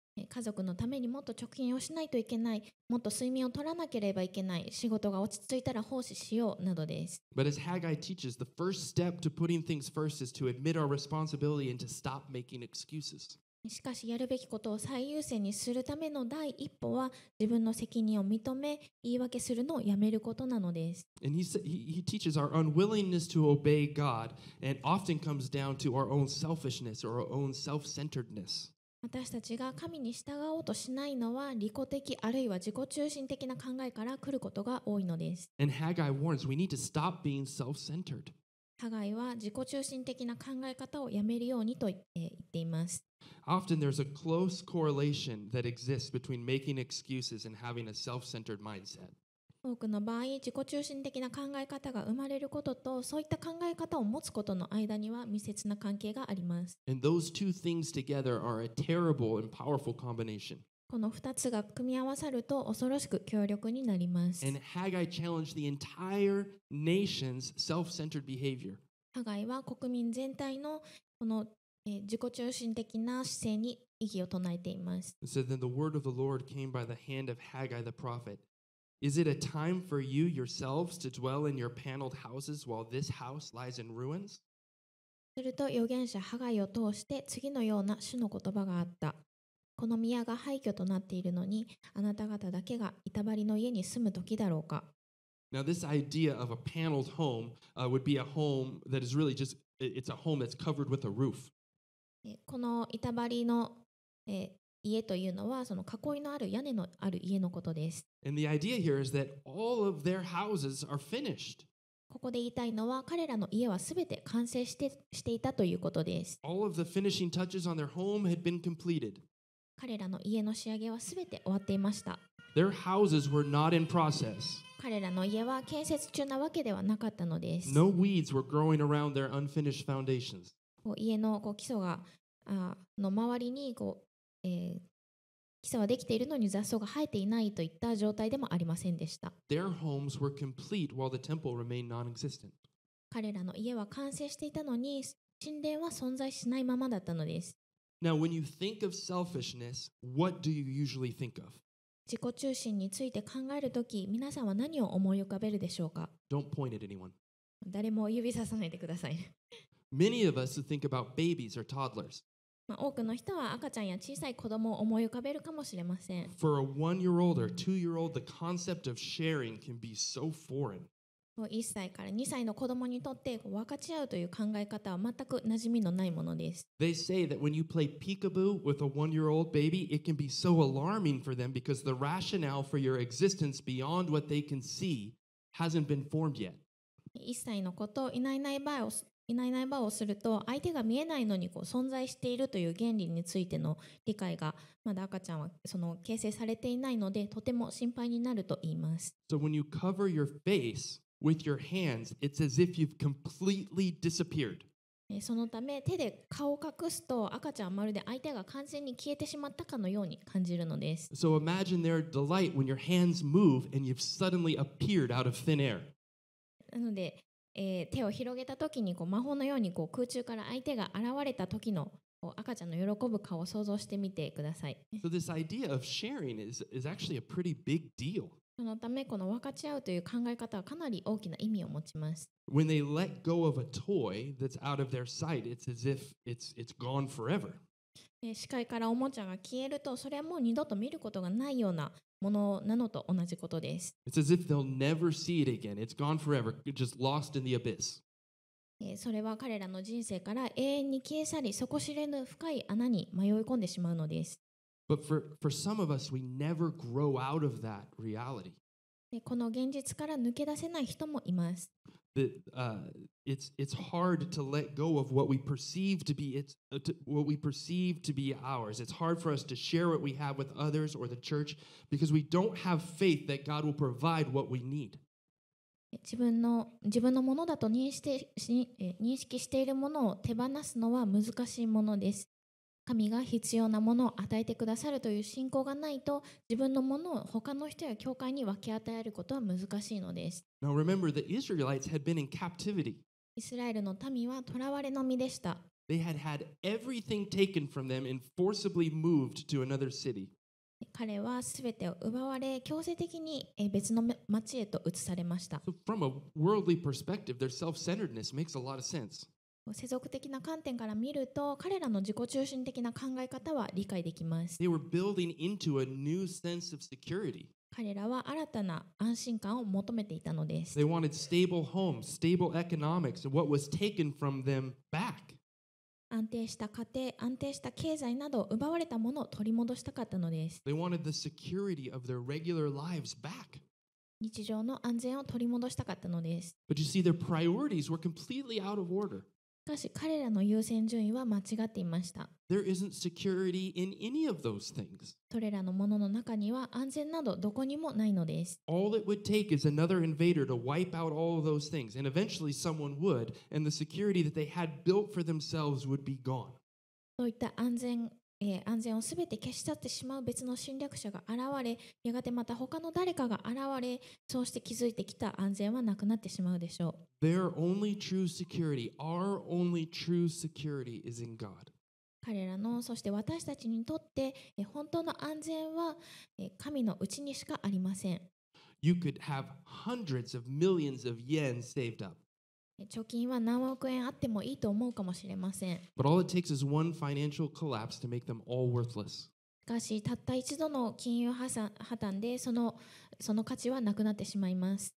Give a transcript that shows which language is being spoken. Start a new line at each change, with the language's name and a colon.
Japanese: 家族のためにもっと貯金をしないといけない、もっと睡眠を取らなければいけない、仕事が落ち着いたら奉仕しようなどです。
English: But as Haggai teaches, the first step to putting things first is to admit our responsibility and to stop making excuses.
Japanese: しかしやるべきことを最優先にするための第一歩は自分の責任を認め言い訳するのをやめることなのです。
English: And he teaches our unwillingness to obey God and often comes down to our own selfishness or our own self-centeredness.
Japanese: 私たちが神に従おうとしないのは利己的あるいは自己中心的な考えから来ることが多いのです。
English: And Haggai warns we need to stop being self-centered.
Japanese: ハガイは自己中心的な考え方をやめるようにと言っています。
English: Often there's a close correlation that exists between making excuses and having a self-centered mindset.
Japanese: 多くの場合、自己中心的な考え方が生まれることと、そういった考え方を持つことの間には密接な関係があります。
English: And those two things together are a terrible and powerful combination.
Japanese: この2つが組み合わさると恐ろしく強力になります。
English: And Haggai challenged the entire nation's self-centered behavior.
Japanese: ハガイは国民全体のこの自己中心的な姿勢に異議を唱えています。
English: So then the word of the Lord came by the hand of Haggai the prophet. Is it a time for you yourselves to dwell in your paneled houses while this house lies in ruins?
Japanese: すると預言者ハガイを通して次のような主の言葉があった。この宮が廃墟となっているのに、あなた方だけが板張りの家に住む時だろうか。
English: Now this idea of a paneled home, would be a home that is really just, it's a home that's covered with a roof.
Japanese: この板張りの、家というのは、その囲いのある屋根のある家のことです。
English: And the idea here is that all of their houses are finished.
Japanese: ここで言いたいのは、彼らの家はすべて完成していたということです。
English: All of the finishing touches on their home had been completed.
Japanese: 彼らの家の仕上げはすべて終わっていました。
English: Their houses were not in process.
Japanese: 彼らの家は建設中なわけではなかったのです。
English: No weeds were growing around their unfinished foundations.
Japanese: 家の基礎がの周りに基礎はできているのに雑草が生えていないといった状態でもありませんでした。
English: Their homes were complete while the temple remained non-existent.
Japanese: 彼らの家は完成していたのに、神殿は存在しないままだったのです。
English: Now, when you think of selfishness, what do you usually think of?
Japanese: 自己中心について考えるとき、皆さんは何を思い浮かべるでしょうか?
English: Don't point at anyone.
Japanese: 誰も指ささないでください。
English: Many of us think about babies or toddlers.
Japanese: 多くの人は赤ちゃんや小さい子供を思い浮かべるかもしれません。
English: For a one-year-old or two-year-old, the concept of sharing can be so foreign.
Japanese: 1歳から2歳の子供にとって分かち合うという考え方は全く馴染みのないものです。
English: They say that when you play peekaboo with a one-year-old baby, it can be so alarming for them because the rationale for your existence beyond what they can see hasn't been formed yet.
Japanese: 1歳の子といないいない場合をいないいない場をすると、相手が見えないのに存在しているという原理についての理解がまだ赤ちゃんはその形成されていないので、とても心配になると言います。
English: So when you cover your face, With your hands, it's as if you've completely disappeared.
Japanese: そのため手で顔を隠すと赤ちゃんはまるで相手が完全に消えてしまったかのように感じるのです。
English: So imagine their delight when your hands move and you've suddenly appeared out of thin air.
Japanese: なので、手を広げた時にこう魔法のようにこう空中から相手が現れた時の赤ちゃんの喜ぶ顔を想像してみてください。
English: So this idea of sharing is actually a pretty big deal.
Japanese: そのためこの分かち合うという考え方はかなり大きな意味を持ちます。
English: When they let go of a toy that's out of their sight, it's as if it's gone forever.
Japanese: 視界からおもちゃが消えると、それはもう二度と見ることがないようなものなのと同じことです。
English: It's as if they'll never see it again. It's gone forever, just lost in the abyss.
Japanese: それは彼らの人生から永遠に消え去り、底知れぬ深い穴に迷い込んでしまうのです。
English: But for some of us, we never grow out of that reality.
Japanese: この現実から抜け出せない人もいます。
English: It's hard to let go of what we perceive to be what we perceive to be ours. It's hard for us to share what we have with others or the church because we don't have faith that God will provide what we need.
Japanese: 自分のものだと認識しているものを手放すのは難しいものです。神が必要なものを与えてくださるという信仰がないと、自分のものを他の人や教会に分け与えることは難しいのです。
English: Now remember, the Israelites had been in captivity.
Japanese: イスラエルの民は囚われの身でした。
English: They had had everything taken from them and forcibly moved to another city.
Japanese: 彼はすべてを奪われ、強制的に別の町へと移されました。
English: So from a worldly perspective, their self-centeredness makes a lot of sense.
Japanese: 世俗的な観点から見ると、彼らの自己中心的な考え方は理解できます。
English: They were building into a new sense of security.
Japanese: 彼らは新たな安心感を求めていたのです。
English: They wanted stable homes, stable economics, and what was taken from them back.
Japanese: 安定した家庭、安定した経済など奪われたものを取り戻したかったのです。
English: They wanted the security of their regular lives back.
Japanese: 日常の安全を取り戻したかったのです。
English: But you see, their priorities were completely out of order.
Japanese: しかし彼らの優先順位は間違っていました。
English: There isn't security in any of those things.
Japanese: それらのものの中には安全などどこにもないのです。
English: All it would take is another invader to wipe out all of those things, and eventually someone would, and the security that they had built for themselves would be gone.
Japanese: そういった安全をすべて消し去ってしまう別の侵略者が現れ、やがてまた他の誰かが現れ、そうして気づいてきた安全はなくなってしまうでしょう。
English: Their only true security, our only true security is in God.
Japanese: 彼らの、そして私たちにとって、本当の安全は、神のうちにしかありません。
English: You could have hundreds of millions of yen saved up.
Japanese: 貯金は何億円あってもいいと思うかもしれません。
English: But all it takes is one financial collapse to make them all worthless.
Japanese: しかし、たった一度の金融破綻でその価値はなくなってしまいます。